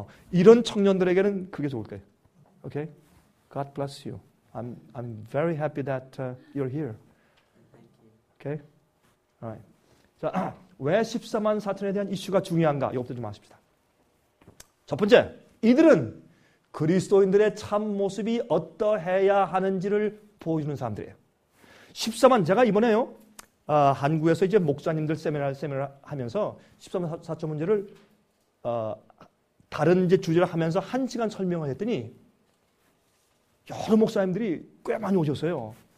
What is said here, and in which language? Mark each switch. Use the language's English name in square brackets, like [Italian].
[Korean] 이런 청년들에게는 그게 좋을 거예요. [English] Okay? God bless you. I'm very happy that you're here. Okay? Right. [Korean] 자, 왜 14만 4천에 대한 이슈가 중요한가? 이것도 좀 아십시다. 첫 번째, 이들은 그리스도인들의 참모습이 어떠해야 하는지를 보여주는 사람들이에요. 14만, 제가 이번에요, 한국에서 이제 목사님들 세미나를 하면서 14만 4천 문제를 다른 이제 주제를 하면서 한 시간 설명을 했더니 여러 목사님들이 꽤 많이 오셨어요.